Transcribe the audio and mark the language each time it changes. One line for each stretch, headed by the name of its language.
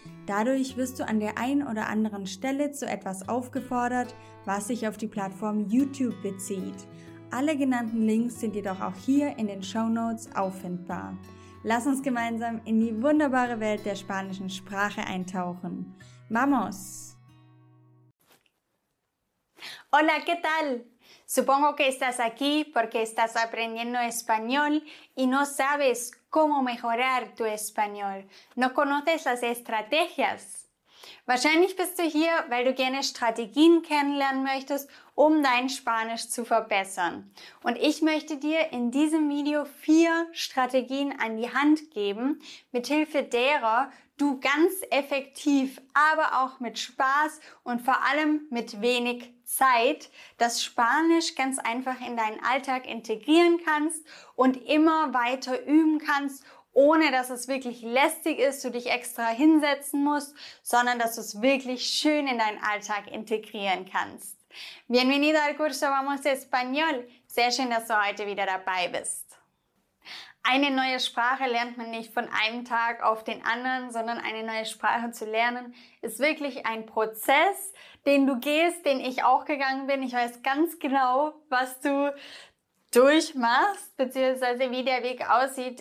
German: Dadurch wirst du an der einen oder anderen Stelle zu etwas aufgefordert, was sich auf die Plattform YouTube bezieht. Alle genannten Links sind jedoch auch hier in den Shownotes auffindbar. Lass uns gemeinsam in die wunderbare Welt der spanischen Sprache eintauchen.
Spanish: ¡Vamos! Hola, ¿qué tal? Supongo que estás aquí porque estás aprendiendo español y no sabes cómo mejorar tu español. No conoces las estrategias.
German: Wahrscheinlich bist du hier, weil du gerne Strategien kennenlernen möchtest, um dein Spanisch zu verbessern. Und ich möchte dir in diesem Video 4 Strategien an die Hand geben, mithilfe derer du ganz effektiv, aber auch mit Spaß und vor allem mit wenig Zeit, das Spanisch ganz einfach in deinen Alltag integrieren kannst und immer weiter üben kannst, ohne dass es wirklich lästig ist, du dich extra hinsetzen musst, sondern dass du es wirklich schön in deinen Alltag integrieren kannst.
Spanish: Bienvenido al curso Vamos Español.
German: Sehr schön, dass du heute wieder dabei bist. Eine neue Sprache lernt man nicht von einem Tag auf den anderen, sondern eine neue Sprache zu lernen ist wirklich ein Prozess, den du gehst, den ich auch gegangen bin. Ich weiß ganz genau, was du durchmachst, beziehungsweise wie der Weg aussieht.